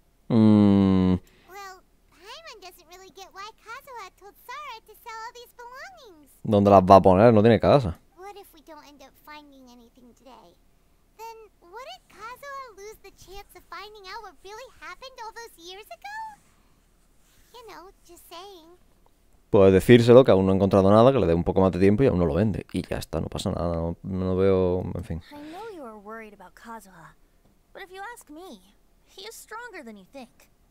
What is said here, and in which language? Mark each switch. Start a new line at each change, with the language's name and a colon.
English: Well, Paimon doesn't really get why Kazuha told Sara to sell all these belongings.
Spanish: ¿Dónde las va a poner? No tiene casa.
English: What if we don't end up finding anything today? Then, wouldn't Kazuha lose the chance of finding out what really happened all those years ago? You know, just saying.
Spanish: Puede decírselo, que aún no ha encontrado nada, que le dé un poco más de tiempo y aún no lo vende. Y ya está, no pasa nada, no veo... en fin.
English: I know you are worried about Kazuha, but if you ask me, he is stronger than you think.